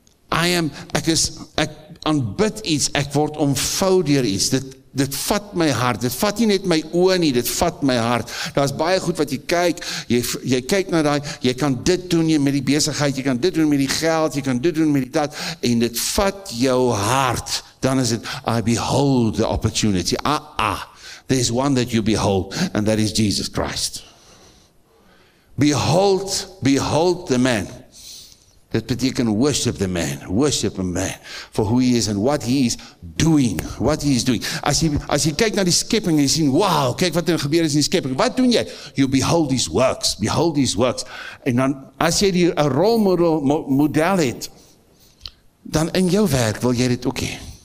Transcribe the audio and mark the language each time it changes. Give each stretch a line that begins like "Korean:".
Afrikaans: ek aanbid iets, ek word omvou deur iets, dit vat my hart, dit vat nie net my oë nie, dit vat my hart, daar is baie goed wat jy kyk, jy kyk na die, jy kan dit doen jy met die besigheid, jy kan dit doen met die geld, jy kan dit doen met die dat, en dit vat jou hart, dan is het,
English: I behold the opportunity, there is one that you behold, and that is Jesus Christ. Behold the man.
Afrikaans: Dit beteken
English: worship the man, worship a man for who he is and what he is doing, what he is doing.
Afrikaans: As jy kyk na die skepping en jy sien, wow, kyk wat gebeur is in die skepping. Wat doen jy?
English: You behold his works.
Afrikaans: En dan as jy die rolmodel het, dan in jou werk wil jy dit ook hê.